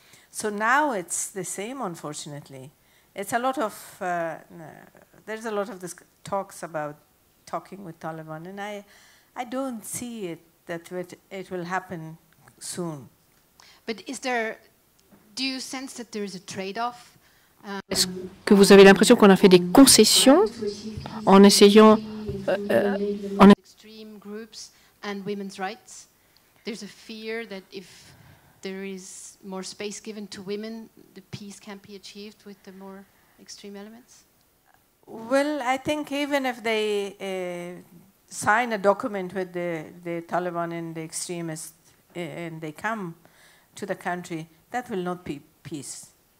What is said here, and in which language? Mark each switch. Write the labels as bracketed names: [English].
[English] So now it's the same, unfortunately. It's a lot of, there's a lot of this talks about talking with Taliban, and I don't see it that it will happen soon. But is there, do you sense that there is a trade-off? [French] Est-ce que vous avez l'impression qu'on a fait des concessions en essayant [English] en extreme groups and women's rights? There's a fear that if there is more space given to women, the peace can't be achieved with the more extreme elements? Well, I think even if they sign a document with the Taliban and the extremists and they come to the country, that will not be peace.